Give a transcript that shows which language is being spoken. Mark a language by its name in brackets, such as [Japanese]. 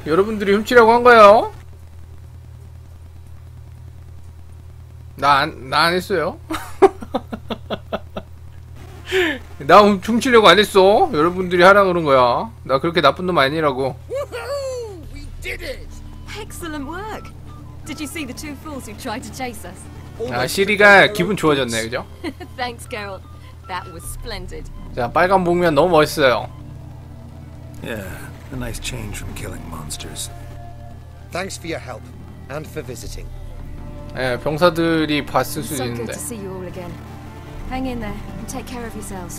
[Korean] 여러분들이 훔치려고 한 거예요. 나 안 했어요. 나 훔치려고 안 했어. 여러분들이 하라 그런 거야. 나 그렇게 나쁜 놈 아니라고. [English] We did it. Excellent work. Did you see the two fools who tried to chase us? [Korean] 아, 시리가 기분 좋아졌네, 그죠? [English] Thanks, Geralt. That was splendid. [Korean] 자, 빨간 복면 너무 멋있어요. [English] Yeah, a nice change from killing monsters. Thanks for your help and for visiting. [Korean] 예, 병사들이 봤을 수 있는데. [English] So good to see you all again. Hang in there and take care of yourselves.